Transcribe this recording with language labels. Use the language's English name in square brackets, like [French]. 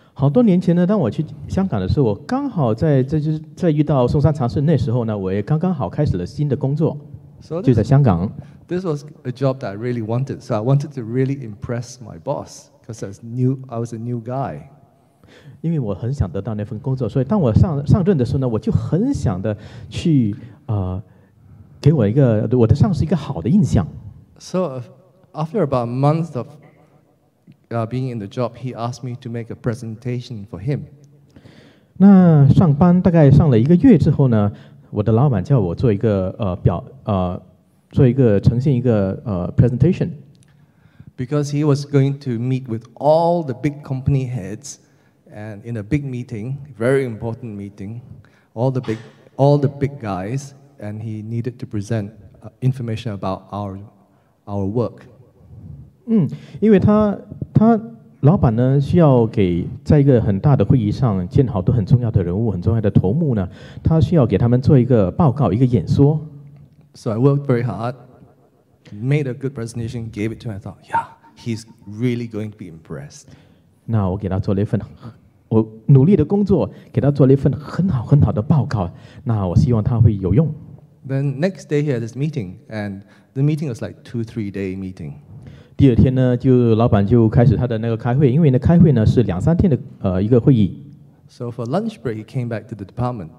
[Chinese] 好多年前呢，当我去香港的时候，我刚好在遇到松山禅师那时候呢，我也刚刚好开始了新的工作， [English] so、 [Chinese] 就在香港。 [English] This was a job that I really wanted, so I wanted to really impress my boss because I was a new guy. [Chinese] 因为我很想得到那份工作，所以当我上任的时候呢，我就很想的去给我一个我的上司一个好的印象。 [English] So after about a month of being in the job, he asked me to make a presentation for him. [Chinese] 那上班大概上了一个月之后呢，我的老板叫我做一个做一个呈现一个presentation. [English] Because he was going to meet with all the big company heads and in a big meeting, very important meeting, all the big guys, and he needed to present information about our work. [Chinese] 因为他老板呢需要给在一个很大的会议上见好多很重要的人物很重要的头目呢，他需要给他们做一个报告一个演说。 [English] So I worked very hard, made a good presentation, gave it to him. I thought, yeah, he's really going to be impressed. [Chinese] 那我给他做了一份，我努力的工作，给他做了一份很好很好的报告。那我希望他会有用。 [English] Then next day he had this meeting, and the meeting was like 2-3 day meeting. [Chinese] 第二天呢，就老板就开始他的那个开会，因为呢开会呢是两三天的一个会议。 [English] So for lunch break he came back to the department.